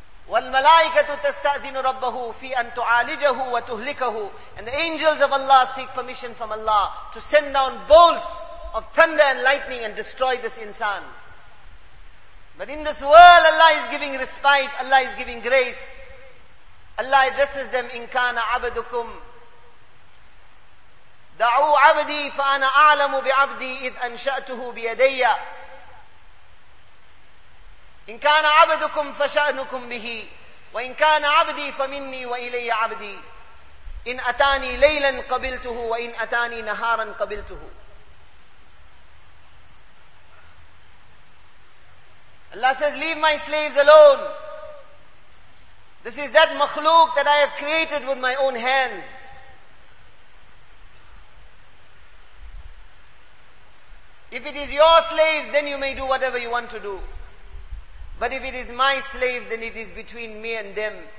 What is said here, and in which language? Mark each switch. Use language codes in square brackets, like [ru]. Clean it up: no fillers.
[ar] وَالْمَلَائِكَةُ تَسْتَأْذِنُ رَبَّهُ فِي أَن تُعَالِجَهُ وَتُهْلِكَهُ. [en] And the angels of Allah seek permission from Allah to send down bolts of thunder and lightning and destroy this insan. But in this world Allah is giving respite, Allah is giving grace. Allah addresses them, [ar] إِنْ كَانَ عَبَدُكُمْ دعوا عبدي فأنا أعلم بعبدي إذ أنشأته بيدي. إن كان عبدكم فشأنكم به وإن كان عبدي فمني وإلي عبدي إن أتاني ليلا قبلته وإن أتاني نهارا قبلته. [en] Allah says, leave my slaves alone. This is that makhluk that I have created with my own hands. If it is your slaves, then you may do whatever you want to do. But if it is my slaves, then it is between me and them.